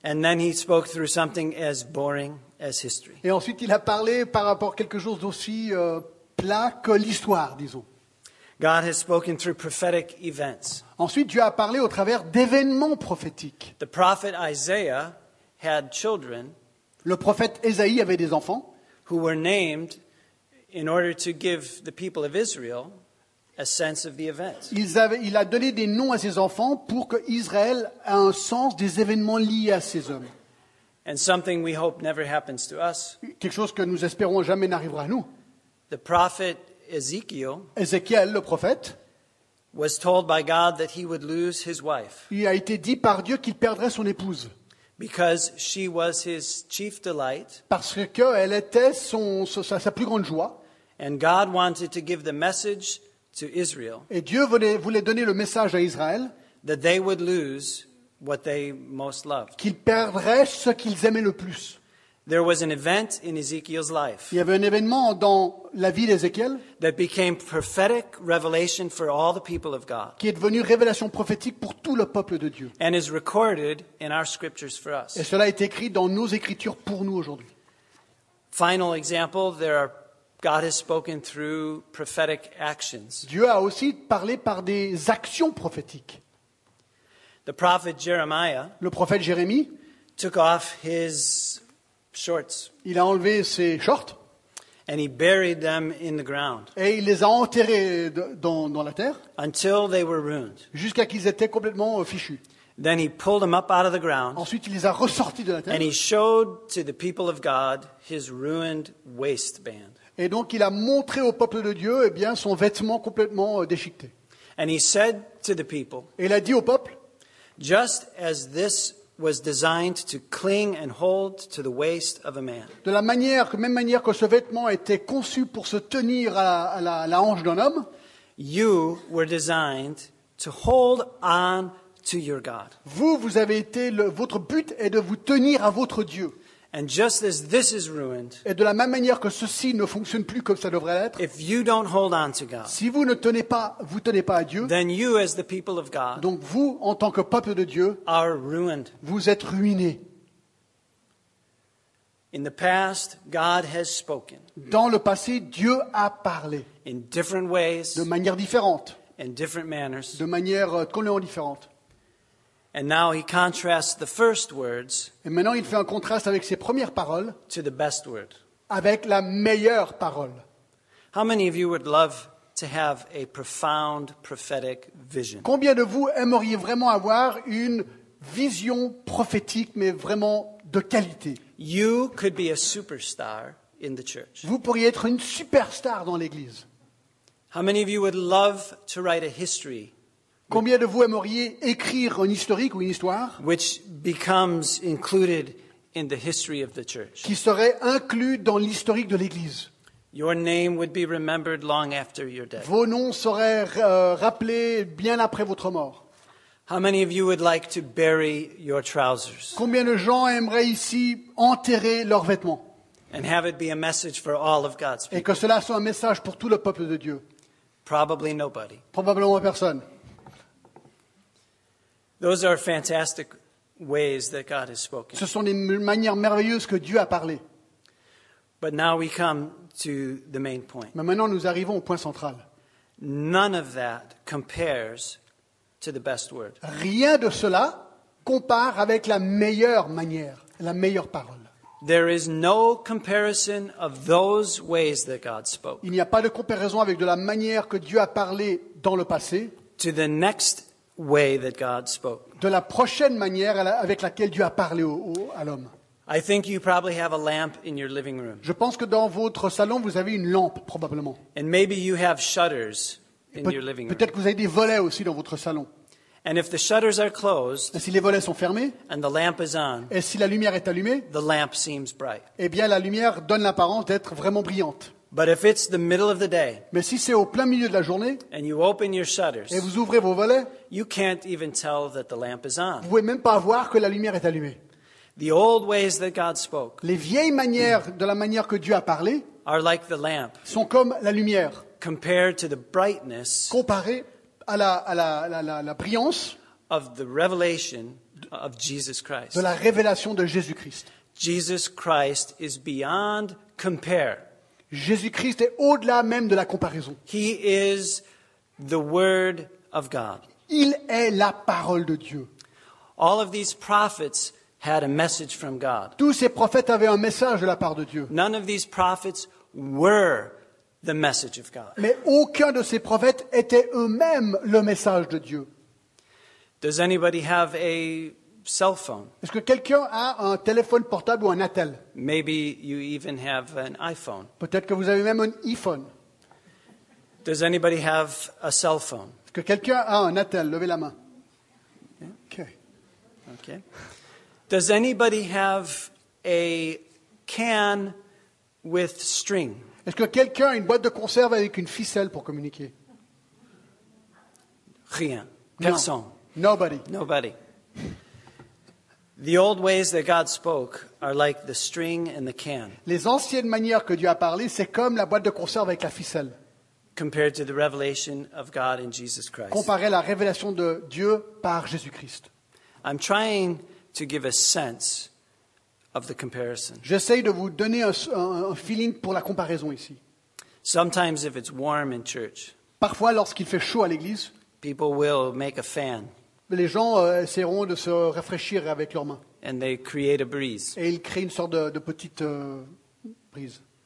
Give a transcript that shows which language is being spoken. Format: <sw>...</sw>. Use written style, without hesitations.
<en>And then he spoke through something as boring as history.</en> <fr>Et ensuite, il a parlé par rapport à quelque chose d'aussi plat que l'histoire, disons.</fr> <en>God has spoken through prophetic events.</en> <fr>Ensuite, Dieu a parlé au travers d'événements prophétiques.</fr> <en>The prophet Isaiah had children.</en> <fr>Le prophète Ésaïe avait des enfants.</fr> <en>Who were named in order to give the people of Israel a sense of the events.</en> <fr>Il a donné des noms à ses enfants pour que Israël ait un sens des événements liés à ces hommes.</fr> <en>And something we hope never happens to us.</en> <fr>Quelque chose que nous espérons jamais n'arrivera à nous.</fr> <en>The prophet Ezekiel,</en> <fr>Ézéchiel, le prophète,</fr> <en>was told by God that he would lose his wife.</en> <fr>Il a été dit par Dieu qu'il perdrait son épouse.</fr> <en>Because she was his chief delight.</en> <fr>Parce que elle était sa plus grande joie.</fr> <en>And God wanted to give the message to Israel.</en> <fr>Et Dieu voulait donner le message à Israël.</fr> <en>That they would lose what they most loved.</en> <fr>Qu'ils perdraient ce qu'ils aimaient le plus.</fr> <en>There was an event in Ezekiel's life.</en> <fr>Il y avait un événement dans la vie d'Ézéchiel.</fr> <en>That became prophetic revelation for all the people of God.</en> <fr>Qui est devenu révélation prophétique pour tout le peuple de Dieu.</fr> <en>And is recorded in our scriptures for us.</en> <fr>Et cela est écrit dans nos écritures pour nous aujourd'hui.</fr> <en>Final example, God has spoken through prophetic actions.</en> <fr>Dieu a aussi parlé par des actions prophétiques.</fr> <en>The prophet Jeremiah.</en> <fr>Le prophète Jérémie.</fr> <en>Took off his shorts.</en> <fr>Il a enlevé ses shorts.</fr> <en>And he buried them in the ground.</en> <fr>Et il les a enterrés dans la terre.</fr> <en>Until they were ruined.</en> <fr>Jusqu'à qu'ils étaient complètement fichus.</fr> <en>Then he pulled them up out of the ground.</en> <fr>Ensuite, il les a ressortis de la terre.</fr> <en>And he showed to the people of God his ruined waistband.</en> <fr>Et donc, il a montré au peuple de Dieu, eh bien, son vêtement complètement déchiqueté.</fr> <en>And he said to the people.</en> <fr>Et il a dit au peuple.</fr> <en>Just as this was designed to cling and hold to the waist of a man.</en> <fr>De la même manière que ce vêtement était conçu pour se tenir à la hanche d'un homme.</fr> <en>You were designed to hold on to your God.</en> <fr>Vous avez été votre but est de vous tenir à votre Dieu.</fr> <en>And just as this is ruined.</en> <fr>Et de la même manière que ceci ne fonctionne plus comme ça devrait l'être.</fr> <en>If you don't hold on to God.</en> <fr>Si vous ne vous tenez pas à Dieu.</fr> <en>Then you as the people of God.</en> <fr>Donc vous en tant que peuple de Dieu.</fr> <en>Are ruined.</en> <fr>Vous êtes ruinés.</fr> <en>In the past, God has spoken.</en> <fr>Dans le passé, Dieu a parlé.</fr> <en>In different ways.</en> <fr>De manière différente.</fr> <en>In different manners.</en> <fr>De manière complètement différente.</fr> <en>And now he contrasts the first words.</en> <fr>Et maintenant il fait un contraste avec ses premières paroles.</fr> <en>To the best word.</en> <fr>Avec la meilleure parole.</fr> <en>How many of you would love to have a profound prophetic vision?</en> <fr>Combien de vous aimeriez vraiment avoir une vision prophétique, mais vraiment de qualité?</fr> <en>You could be a superstar in the church.</en> <fr>Vous pourriez être une superstar dans l'église.</fr> <en>How many of you would love to write a history?</en> <fr>Combien de vous aimeriez écrire un historique ou une histoire</fr> <en>which becomes included in the history of the church.</en> <fr>Qui serait inclus dans l'historique de l'Église?</fr> <en>Your name would be remembered long after your death.</en> <fr>Vos noms seraient rappelés bien après votre mort.</fr> <en>How many of you would like to bury your trousers?</en> <fr>Combien de gens aimeraient ici enterrer leurs vêtements?</fr> <en>And have it be a message for all of God's people.</en> <fr>Et que cela soit un message pour tout le peuple de Dieu?</fr> <en>Probably nobody.</en> <fr>Probablement personne.</fr> <en>Those are fantastic ways that God has spoken.</en> <fr>Ce sont les manières merveilleuses que Dieu a parlé.</fr> <en>But now we come to the main point.</en> <fr>Mais maintenant nous arrivons au point central.</fr> <en>None of that compares to the best word.</en> <fr>Rien de cela compare avec la meilleure manière, la meilleure parole.</fr> <en>There is no comparison of those ways that God spoke.</en> <fr>Il n'y a pas de comparaison avec de la manière que Dieu a parlé dans le passé.</fr> <en>To the next way that God spoke.</en> <fr>De la prochaine manière avec laquelle Dieu a parlé à l'homme.</fr> <en>I think you probably have a lamp in your living room.</en> <fr>Je pense que dans votre salon vous avez une lampe probablement.</fr> <en>And maybe you have shutters in your living room.</en> <fr>Peut-être que vous avez des volets aussi dans votre salon.</fr> <en>And if the shutters are closed,</en> <fr>et si les volets sont fermés,</fr> <en>and the lamp is on,</en> <fr>et si la lumière est allumée,</fr> <en>the lamp seems bright.</en> <fr>Eh bien la lumière donne l'apparence d'être vraiment brillante.</fr> <en>But if it's the middle of the day,</en> <fr>mais si c'est au plein milieu de la journée,</fr> <en>and you open your shutters,</en> <fr>et vous ouvrez vos volets,</fr> <en>you can't even tell that the lamp is on.</en> <fr>Vous pouvez même pas voir que la lumière est allumée.</fr> <en>The old ways that God spoke,</en> <fr>les vieilles manières de la manière que Dieu a parlé,</fr> <en>are like the lamp,</en> <fr>sont comme la lumière,</fr> <en>compared to the brightness,</en> <fr>comparé à la brillance,</fr> <en>of the revelation of Jesus Christ,</en> <fr>de la révélation de Jésus Christ.</fr> <en>Jesus Christ is beyond compare.</en> <fr>Jésus-Christ est au-delà même de la comparaison.</fr> <en>He is the word of God.</en> <fr>Il est la parole de Dieu.</fr> <en>All of these prophets had a message from God.</en> <fr>Tous ces prophètes avaient un message de la part de Dieu.</fr> <en>None of these prophets were the message of God.</en> <fr>Mais aucun de ces prophètes était eux-mêmes le message de Dieu.</fr> <en>Does anybody have a cell phone?</en> <fr>Est-ce que quelqu'un a un téléphone portable ou un Atel?</fr> <en>Maybe you even have an iPhone.</en> <fr>Peut-être que vous avez même un iPhone.</fr> <en>Does anybody have a cell phone?</en> <fr>Est-ce que quelqu'un a un Atel? Levez la main. Okay.</fr> <en>Okay. Does anybody have a can with string?</en> <fr>Est-ce que quelqu'un a une boîte de conserve avec une ficelle pour communiquer? Rien. Personne.</fr> <en>No. Nobody. Nobody. The old ways that God spoke are like the string and the can.</en> <fr>Les anciennes manières que Dieu a parlé, c'est comme la boîte de conserve avec la ficelle.</fr> <en>Compared to the revelation of God in Jesus Christ.</en> <fr>Comparé à la révélation de Dieu par Jésus-Christ.</fr> <en>I'm trying to give a sense of the comparison.</en> <fr>J'essaie de vous donner un feeling pour la comparaison ici.</fr> <en>Sometimes if it's warm in church.</en> <fr>Parfois lorsqu'il fait chaud à l'église,</fr> <en>people will make a fan.</en> <fr>Les gens essaieront de se rafraîchir avec leurs mains.</fr> <en>And they create a breeze.</en> <fr>Et ils créent une sorte de petite brise.</fr>